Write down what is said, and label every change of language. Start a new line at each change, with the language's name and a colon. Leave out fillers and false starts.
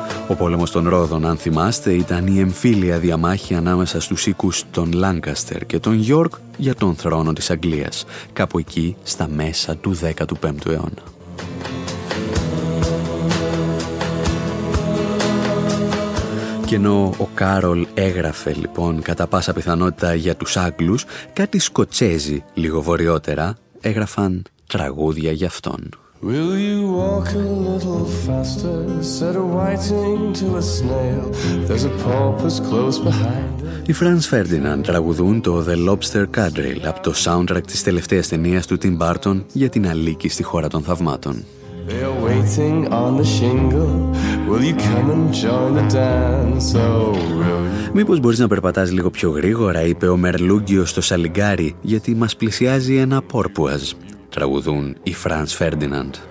Greek: Ο πόλεμος των Ρόδων, αν θυμάστε, ήταν η εμφύλια διαμάχη ανάμεσα στους οίκους των Λάνκαστερ και των Γιόρκ για τον θρόνο της Αγγλίας, κάπου εκεί στα μέσα του 15ου αιώνα. Και ενώ ο Κάρολ έγραφε λοιπόν κατά πάσα πιθανότητα για τους Άγγλους, κάτι Σκοτσέζοι λίγο βορειότερα έγραφαν τραγούδια για αυτόν.
English: Will you walk a little faster, said a whiting to a snail, there's a porpoise close behind.
Greek: Οι Franz Ferdinand τραγουδούν το The Lobster Quadrille από το soundtrack της τελευταίας ταινίας του Tim Burton για την Αλίκη στη χώρα των θαυμάτων.
English: They are waiting on the shingle, will you come and join the dance, oh will you...
Greek: Μήπως μπορείς να περπατάς λίγο πιο γρήγορα, είπε ο Μερλούγκιο στο σαλιγκάρι, γιατί μας πλησιάζει ένα πόρπουαζ. Τραγουδούν οι Franz Ferdinand.